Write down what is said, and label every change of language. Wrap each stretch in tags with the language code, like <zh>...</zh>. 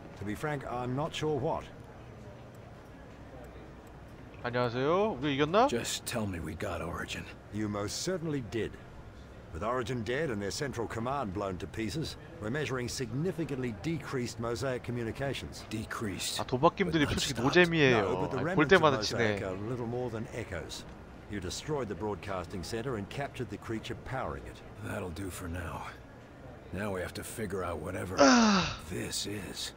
<en>To be frank, I'm not sure what.</en> <ko>안녕하세요. 우리 이겼나?</ko> <en>Just tell me we got Origin. You most certainly did. With Origin dead and their central command blown to pieces, we're measuring significantly decreased Mosaic communications. Decreased.</en> <ko>아, 도박김들이 솔직히 노잼이에요. 볼 때마다 치네.</ko> <en>Little more than echoes. You destroyed the broadcasting center and captured the creature powering it. That'll do for now. Now we have to figure out whatever this is.</en>